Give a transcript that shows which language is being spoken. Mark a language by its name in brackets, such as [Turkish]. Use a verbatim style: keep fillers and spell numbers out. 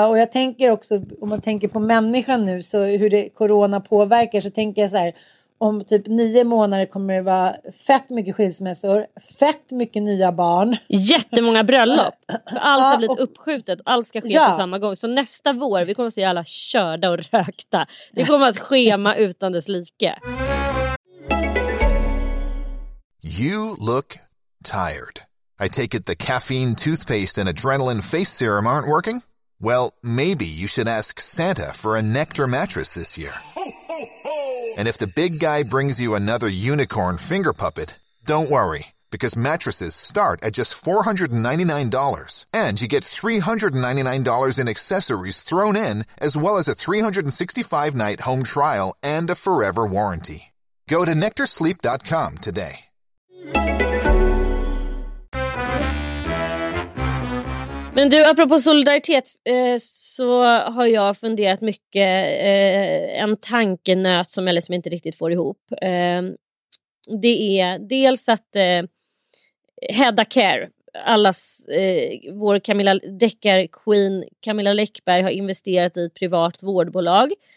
[Swedish] Uh, och jag tänker också, om man tänker på människan nu, så hur det, corona påverkar, så tänker jag så här, om typ nio månader kommer det vara fett mycket skilsmässor, fett mycket nya barn. Jättemånga bröllop. För allt har blivit uppskjutet och allt ska ske ja. på samma gång. Så nästa vår, vi kommer så jävla körda och rökta. Det kommer att schema utan dess like. [English] You look tired. I take it the caffeine toothpaste and adrenaline face serum aren't working? Well, maybe you should ask Santa for a Nectar mattress this year. And if the big guy brings you another unicorn finger puppet, don't worry, because mattresses start at just four hundred ninety-nine dollars. And you get three hundred ninety-nine dollars in accessories thrown in, as well as a three hundred sixty-five night home trial and a forever warranty. Go to nectar sleep dot com today. [Swedish] Men du, apropå solidaritet, eh, så har jag funderat mycket, eh, en tankenöt som jag liksom inte riktigt får ihop. Eh, det är dels att eh, Hedda Care, allas, eh, vår Camilla Deckar-queen Camilla Läckberg, har investerat i ett privat vårdbolag.